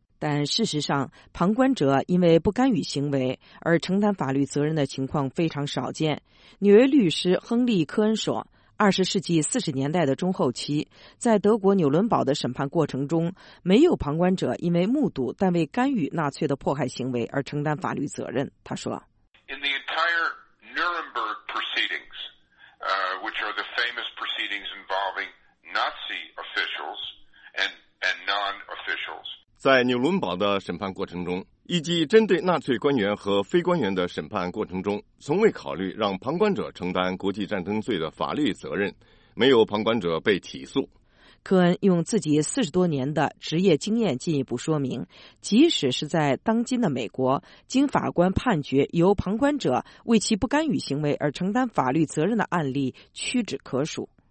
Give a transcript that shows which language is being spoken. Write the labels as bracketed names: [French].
[Chinese] 但事实上，旁观者因为不干预行为而承担法律责任的情况非常少见。纽约律师亨利·科恩说，20世纪40年代的中后期，在德国纽伦堡的审判过程中，没有旁观者因为目睹但未干预纳粹的迫害行为而承担法律责任。他说 [English] ：“In the entire Nuremberg proceedings, which are the famous proceedings involving Nazi officials and non-officials.” [Chinese] 在纽伦堡的审判过程中，以及针对纳粹官员和非官员的审判过程中，从未考虑让旁观者承担国际战争罪的法律责任，没有旁观者被起诉。科恩用自己40多年的职业经验进一步说明，即使是在当今的美国，经法官判决由旁观者为其不干预行为而承担法律责任的案例屈指可数。